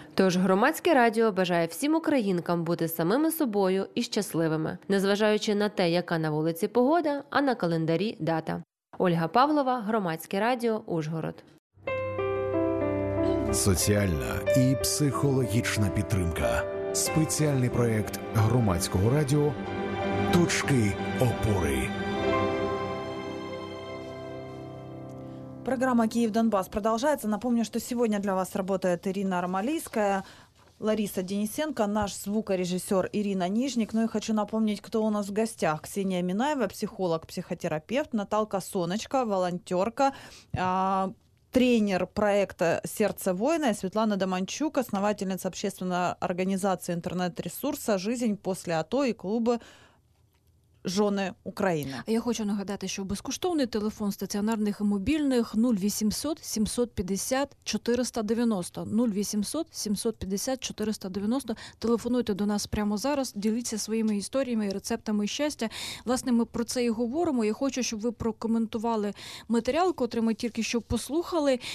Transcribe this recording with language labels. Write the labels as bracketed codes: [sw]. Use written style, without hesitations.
[uk] Тож громадське радіо бажає всім українкам бути самими собою і щасливими, незважаючи на те, яка на вулиці погода, а на календарі дата. Ольга Павлова, громадське радіо, Ужгород. Соціальна і психологічна підтримка. Спеціальний проєкт громадського радіо «Точки опори». [ru] Программа «Киев-Донбасс» продолжается. Напомню, что сегодня для вас работает Ирина Армалийская, Лариса Денисенко, наш звукорежиссер Ирина Нижник. Ну и хочу напомнить, кто у нас в гостях. Ксения Минаева, психолог, психотерапевт, Наталка Соночка, волонтерка, тренер проекта «Сердце воина», Светлана Доманчук, основательница общественной организации интернет-ресурса «Жизнь после АТО» и клуба «Жони України». [uk] Я хочу нагадати, що безкоштовний телефон стаціонарних і мобільних 0800 750 490. 0800 750 490. Телефонуйте до нас прямо зараз, діліться своїми історіями і рецептами щастя. Власне, ми про це і говоримо. Я хочу, щоб ви прокоментували матеріал, котрий ми тільки що послухали.